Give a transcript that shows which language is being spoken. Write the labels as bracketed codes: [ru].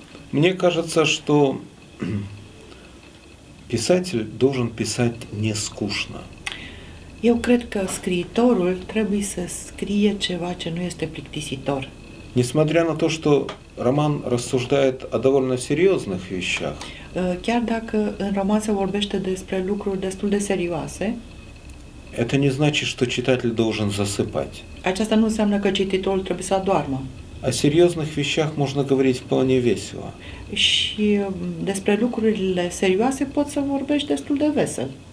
[ru] Мне кажется, что писатель должен писать не скучно. [ro] Eu cred că scriitorul trebuie să scrie ceva ce nu este plictisitor. [ru] Несмотря на то, что роман рассуждает о довольно серьезных вещах. [ro] Chiar dacă în roman se vorbește despre lucruri destul de serioase. [ru] Это не значит, что читатель должен засыпать. [ro] Aceasta nu înseamnă că cititorul trebuie să adoarmă. [ru] О серьезных вещах можно говорить вполне весело. [ro] Și despre lucrurile serioase poți să vorbești destul de vesel.